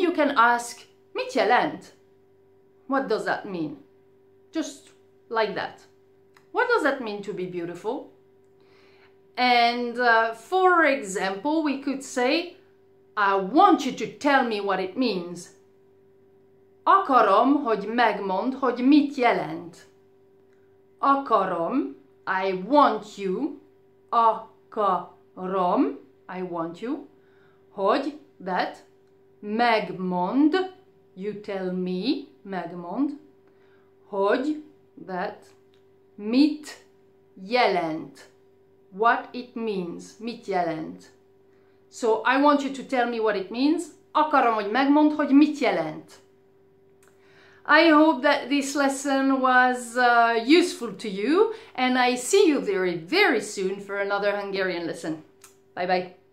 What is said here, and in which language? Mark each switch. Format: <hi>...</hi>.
<en>You can ask,</en> <hu>mit jelent?</hu> <en>What does that mean? Just like that. What does that mean to be beautiful? And for example, we could say, I want you to tell me what it means.</en> <hu>Akarom, hogy megmond, hogy mit jelent.</hu> <en>Akarom, I want you. Akarom, I want you. Hogy, that. Megmond, you tell me. Megmond.</en> <hu>Hogy,</hu> <en>that.</en> <hu>Mit jelent.</hu> <en>What it means,</en> <hu>mit jelent.</hu> <en>So, I want you to tell me what it means.</en> <hu>Akarom, hogy megmond, hogy mit jelent.</hu> <en>I hope that this lesson was useful to you, and I see you very, very soon for another Hungarian lesson. Bye-bye.</en>